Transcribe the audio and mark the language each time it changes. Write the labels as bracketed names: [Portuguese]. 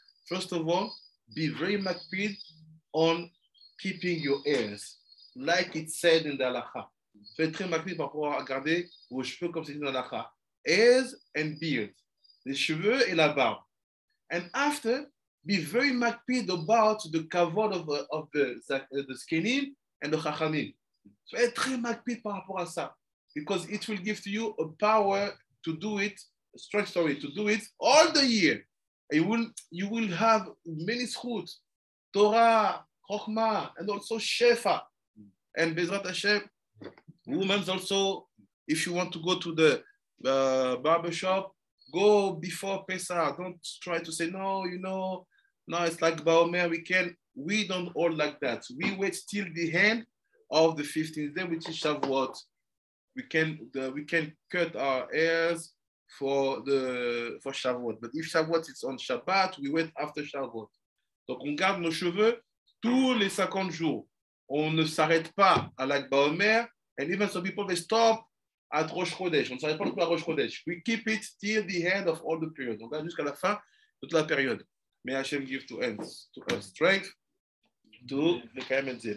[English] First of all, be very makpid on keeping your ears, like it said in the halakha. [French] Faites très makpid par rapport à garder vos cheveux comme c'est dit dans la halakha. [English] Hairs and beard, [French] les cheveux et la barbe. [English] And after, be very makpid about the kavod of the Zkenim and the HaKhamin. So, [French] être très makpid par rapport à ça, [English] because it will give to you a power to do it, a strength, sorry, to do it all the year. And you will have many zchut, Torah, Chokhmah, and also Shefa. And Bezrat Hashem, women also, if you want to go to the barbershop, go before Pesach. Don't try to say, no, it's like Baomer weekend. We don't all like that. We wait till the end of the 15th day, which is Shavuot. We can cut our hairs for Shavuot. But if Shavuot is on Shabbat, we wait after Shavuot. [French] Donc on garde nos cheveux tous les 50 jours. On ne s'arrête pas à like Baomer. [English] And even some people, they stop at Rosh Chodesh. [French] On ne savait pas pourquoi Rosh Chodesh. [English] We keep it till the end of all the period. [French] On va jusqu'à la fin de toute la période. [English] May Hashem give to us strength to the Kaimenze.